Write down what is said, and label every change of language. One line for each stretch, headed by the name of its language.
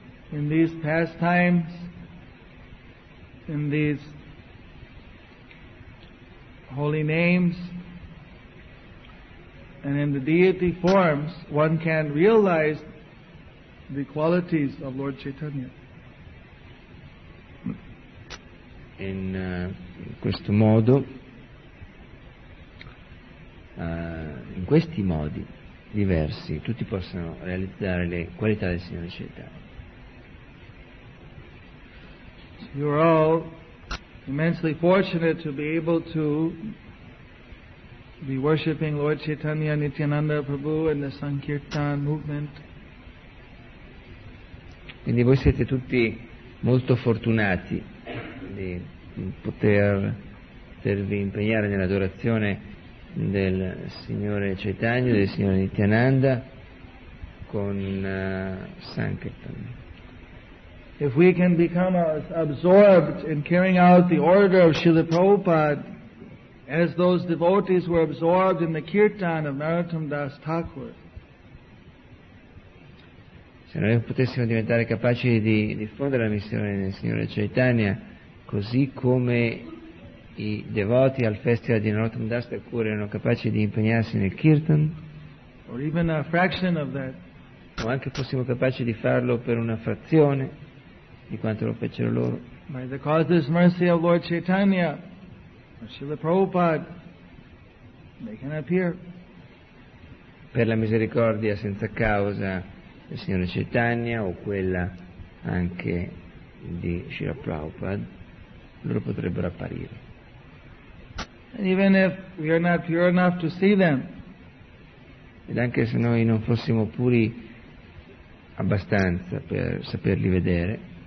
English: In these pastimes, in these holy names, and in the deity forms, one can realize the qualities of Lord Chaitanya.
Italian: In questo modo, in questi modi diversi, tutti possono realizzare le qualità del Signore Chaitanya.
English: You are all immensely fortunate to be able to be worshipping Lord Chaitanya, Nityananda Prabhu in the Sankirtan movement.
Italian: Quindi voi siete tutti molto fortunati di potervi impegnare nell'adorazione del Signore Chaitanya, del Signore Nityananda con Sankirtan.
English: If we can become absorbed in carrying out the order of Srila Prabhupada as those devotees were absorbed in the kirtan of Narottam Das Thakur.
Italian: Se noi potessimo diventare capaci di diffondere la missione del Signore Chaitanya così come i devoti al festival di Narottam Das Thakur erano capaci di impegnarsi nel kirtan,
English: or even a fraction of that,
Italian: o anche fossimo capaci di farlo per una frazione di quanto lo fecero loro,
English: by the causeless mercy of Lord Chaitanya or Srila Prabhupada, they can appear.
Italian: Per la misericordia senza causa del Signore Chaitanya o quella anche di Srila Prabhupada, loro potrebbero apparire.
English: And even if we are not pure enough to see them,
Italian: ed anche se noi non fossimo puri abbastanza per saperli vedere,